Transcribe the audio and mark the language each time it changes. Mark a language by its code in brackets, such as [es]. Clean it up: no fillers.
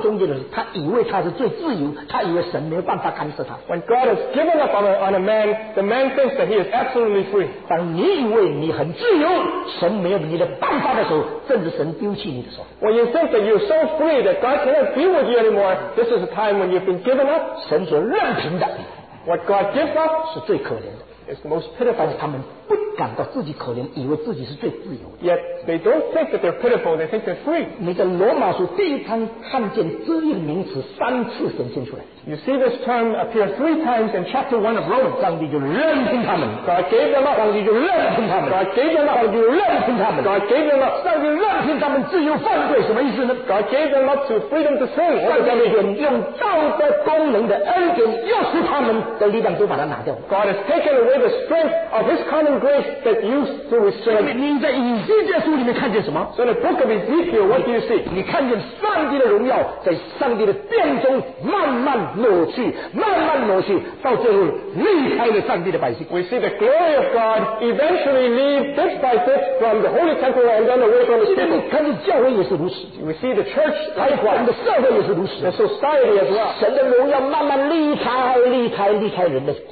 [zh] 当一个人就走在神任凭道路中间的时候,他以为他是最自由,他以为 [en] when God has given up on a man, the man thinks that he is absolutely free. [zh] 当你以为你很自由, 神没有你的办法的时候, [en] when you think that you are so free that God cannot be with you anymore, this is a time when you have been given up. [zh] 神所任凭的, [en] what God gives up [zh] 是最可怜的, [en] is the most pitiful. [zh] 感到自己可怜, [en] yet they don't think that they're pitiful, they think they're free. [zh] 你在罗马书第一章看见这一名词三次显现出来, [en] you see this term appear three times in chapter 1 of Romans. [zh] 上帝就任凭他们, [en] God gave them up. [zh] 上帝就任凭他们, [en] God gave them up. [zh] 上帝就任凭他们, [en] God gave them up. [zh] 上帝任凭他们自由犯罪, 什么意思呢? [en] God gave them up to freedom to sin. [zh] 上帝用道德功能的恩典, 又是他们的力量都把它拿掉, [en] God has taken away the strength of His common grace that you to receive. So in the book of Ezekiel, what do you see? [zh] 你看见上帝的荣耀在上帝的殿中慢慢挪去，到最后离开了上帝的百姓。 [en] We see the glory of God eventually leave bit by bit from the holy temple and then away from His people. [zh] 你看见教会也是如此。 [en] We see the church likewise. [zh] 你看见社会也是如此。 [en] The society as well. [zh] 神的荣耀慢慢离开人们。